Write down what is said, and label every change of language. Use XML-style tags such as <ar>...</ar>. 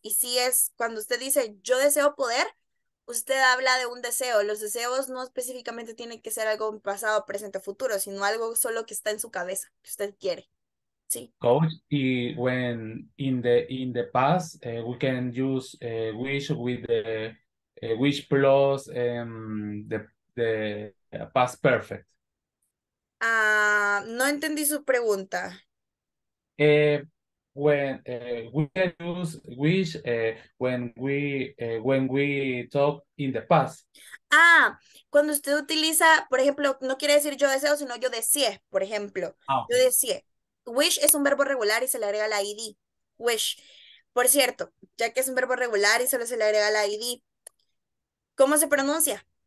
<es>Y si es cuando usted dice yo deseo poder, usted habla de un deseo. Los deseos no específicamente tienen que ser algo en pasado, presente, futuro, sino algo solo que está en su cabeza, que usted quiere. Sí.</es> <en>Coach, y when in the past, we can use wish with the wish plus the past perfect.</en> <es>No entendí su pregunta.</es> <en>When we can use wish when we talk in the past.</en> <es>Ah, cuando usted utiliza, por ejemplo, no quiere decir yo deseo, sino yo deseé, por ejemplo.</es> <en>Okay.</en> <es>Yo deseé. Wish es un verbo regular y se le agrega la ID. Wish. Por cierto, ya que es un verbo regular y solo se le agrega la ID, ¿cómo se pronuncia?</es>